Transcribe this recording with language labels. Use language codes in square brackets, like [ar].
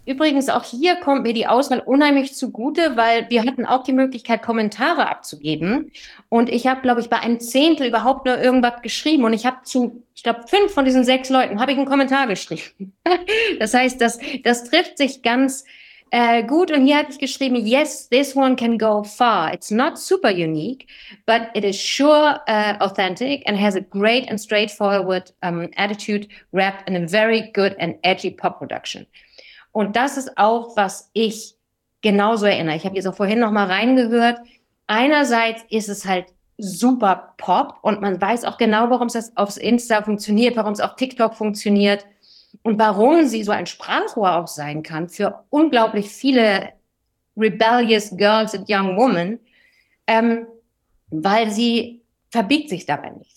[de] Übrigens, auch hier kommt mir die Auswahl unheimlich zugute, weil wir hatten auch die Möglichkeit, Kommentare abzugeben. Und ich habe, glaube ich, bei einem Zehntel überhaupt nur irgendwas geschrieben. Und ich habe zu, ich glaube, 5 von diesen 6 Leuten habe ich einen Kommentar geschrieben. Das heißt, das trifft sich ganz gut. Und hier habe ich geschrieben, [en] yes, this one can go far. It's not super unique, but it is sure authentic and has a great and straightforward attitude wrapped in a very good and edgy pop production. [de] Und das ist auch, was ich genauso erinnere. Ich habe jetzt auch vorhin nochmal reingehört. Einerseits ist es halt super Pop und man weiß auch genau, warum es aufs Insta funktioniert, warum es auf TikTok funktioniert. Und warum sie so ein Sprachrohr auch sein kann für unglaublich viele [en] rebellious girls and young women, [de] weil sie verbiegt sich dabei nicht.